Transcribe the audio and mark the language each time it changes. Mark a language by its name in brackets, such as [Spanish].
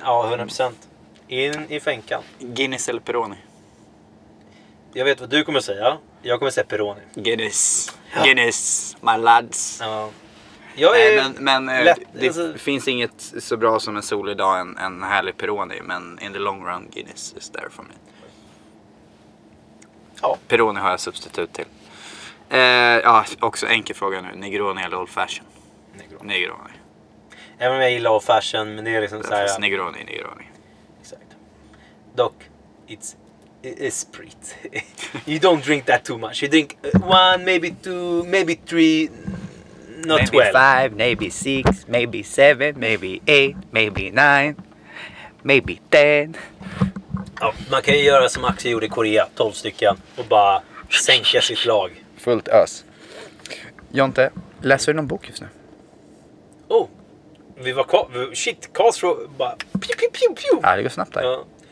[Swedish] Ja, 100%. In i fänkan. Guinness eller Peroni? Jag vet vad du kommer säga. Jag kommer säga Peroni. Guinness. Ja. Guinness, [English] my lads. [Swedish] Ja. Jag är men det alltså... finns inget så bra som en solig dag, en härlig Peroni. [English] Men in the long run, Guinness is there for me. [Swedish] Ja. Peroni har jag substitut till. Ja, också enkel fråga nu. Negroni eller old fashion? Negroni. Negroni. Även om jag gillar old fashion, men det är liksom såhär... Negroni. Exakt. Dock, it's... Esprit. [English] You don't drink that too much. You drink one, maybe two, maybe three, not maybe Five, maybe six, maybe seven, maybe eight, maybe nine, maybe 10. [Swedish] Ja, man kan ju göra som Axel gjorde i Korea, 12 stycken, och bara sänka sitt lag. Fullt ös. Jonte, läser du någon bok just nu? Oh, vi var shit, Karlsro, bara pew, pew, pew, pew. Ja, det går snabbt där. Ja.